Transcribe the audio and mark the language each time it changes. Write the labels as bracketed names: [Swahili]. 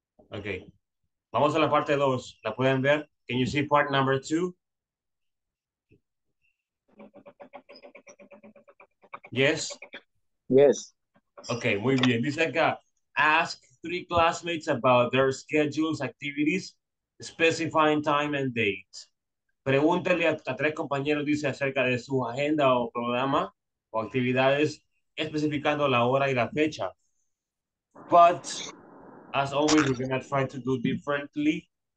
[Spanish] Okay. Vamos a la parte dos. ¿La pueden ver? [English] Can you see part number two? Yes? Yes. [Spanish] Okay, muy bien. Dice acá, [English] ask three classmates about their schedules, activities, specifying time and date. [Spanish] Pregúntale a tres compañeros, dice, acerca de su agenda o programa o actividades, especificando la hora y la fecha. [English] But, as always, we're going to try to do differently.